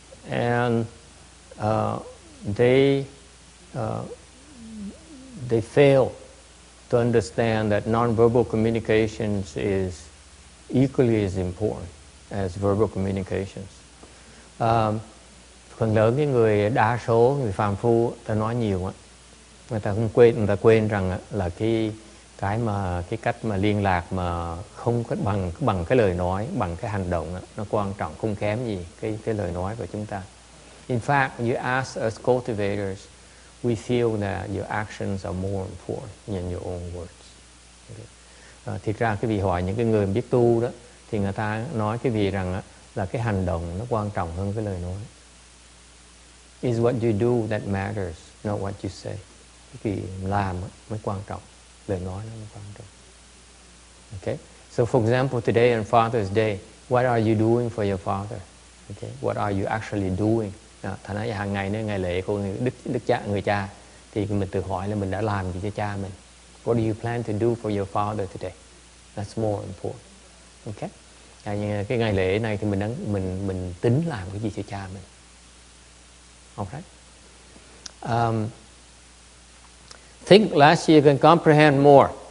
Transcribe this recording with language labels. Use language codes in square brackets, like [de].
[en] And they fail to understand that nonverbal communications is equally as important as verbal communications. [vi] Phần lớn cái người đa số người phàm phu ta nói nhiều á, người ta không quên, người ta quên rằng là cái cách mà liên lạc mà không có bằng cái lời nói, bằng cái hành động á, nó quan trọng không kém gì cái lời nói của chúng ta. [en] In fact, when you ask us cultivators, we feel that your actions are more important than your own words. Okay. [vi] Thực ra cái vị hỏi những cái người biết tu đó, thì người ta nói cái vị rằng là cái hành động nó quan trọng hơn cái lời nói. [en] Is what you do that matters, not what you say. [vi] Cái gì làm mới quan trọng, lời nói nó mới quan trọng. [en] Okay. So for example, today on Father's Day, what are you doing for your father? Okay. What are you actually doing? [vi] Thầy nói hàng ngày nữa, ngày lễ của đức cha, người cha, thì mình tự hỏi là mình đã làm gì cho cha mình. [en] What do you plan to do for your father today? That's more important. Okay. [vi] À, nhưng cái ngày lễ này thì mình tính làm cái gì cho cha mình. Okay. [en] Think less, you can comprehend more.